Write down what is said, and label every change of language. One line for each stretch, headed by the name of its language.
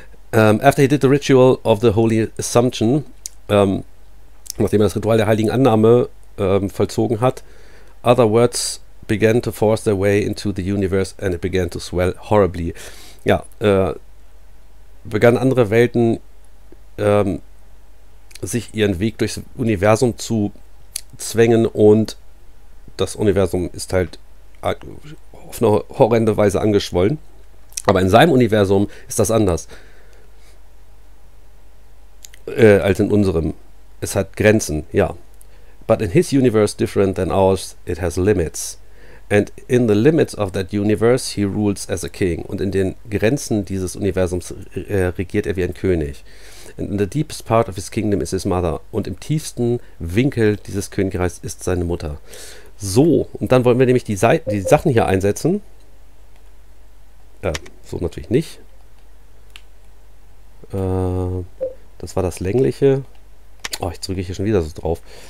English: After he did the ritual of the Holy Assumption,
German: nachdem er das Ritual der heiligen Annahme vollzogen hat,
English: other words began to force their way into the universe and it began to swell horribly.
German: Ja, begannen andere Welten sich ihren Weg durchs Universum zu zwängen, und das Universum ist halt auf eine horrende Weise angeschwollen. Aber in seinem Universum ist das anders als in unserem. Es hat Grenzen, ja.
English: But in his universe, different than ours, it has limits. And in the limits of that universe, he rules as a king.
German: Und in den Grenzen dieses Universums regiert er wie ein König.
English: And in the deepest part of his kingdom is his mother.
German: Und im tiefsten Winkel dieses Königreichs ist seine Mutter. So, und dann wollen wir nämlich die Sachen hier einsetzen. So natürlich nicht. Das war das längliche. Oh, ich drücke hier schon wieder so drauf.